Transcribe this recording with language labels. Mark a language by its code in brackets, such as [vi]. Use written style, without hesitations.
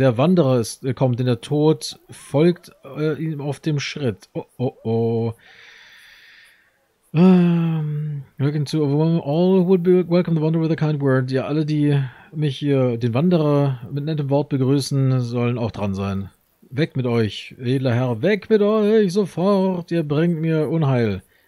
[de] Der Wanderer kommt, denn der Tod folgt ihm auf dem Schritt. Oh. [en] Welcome to all who would be welcome the wanderer with a kind word. [de] Ja, alle, die mich hier, den Wanderer, mit nettem Wort begrüßen, sollen auch dran sein. Weg mit euch, edler Herr, weg mit euch sofort, ihr bringt mir Unheil.